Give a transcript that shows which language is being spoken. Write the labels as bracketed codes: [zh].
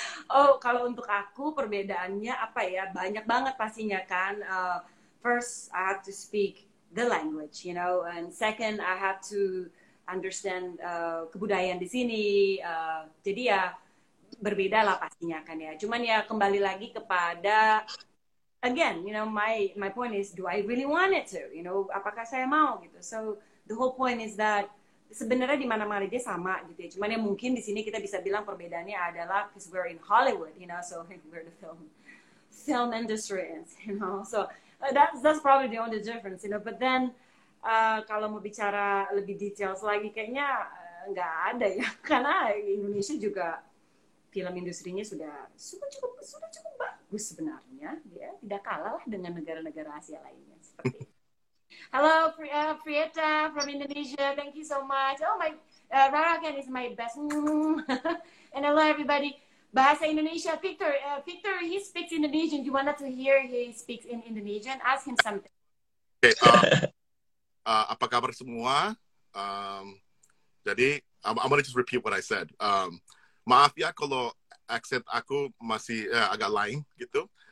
[id] Oh, kalau untuk aku perbedaannya apa ya? Banyak banget pastinya kan. [en] First, I have to speak the language, you know, and second, I have to understand [id] kebudayaan di sini. Jadi ya berbeda lah pastinya kan ya. Cuman ya kembali lagi kepada [en] again, you know, my point is, do I really want it to? You know, [id] apakah saya mau gitu? [en] So the whole point is that [id] sebenarnya di mana-mana dia sama gitu ya. Cuman ya mungkin di sini kita bisa bilang perbedaannya adalah [en] because we're in Hollywood, you know, so we're the film industry, you know. So that's probably the only difference, you know. But then [id] kalau mau bicara lebih details lagi, kayaknya nggak ada ya, karena Indonesia juga film industrinya sudah cukup bagus sebenarnya, ya tidak kalah lah dengan negara-negara Asia lainnya. [en] Hello, Prieta from Indonesia, thank you so much. Oh my, Rarakan is my best. And hello everybody, [id] bahasa Indonesia, [en] Victor. Victor, he speaks Indonesian. You wanted to hear he speaks in Indonesian. Ask him something. [id] Okay, apa kabar semua? Jadi, [en] I'm gonna just repeat what I said. [id] Maaf ya kalau aksen aku masih agak lain gitu.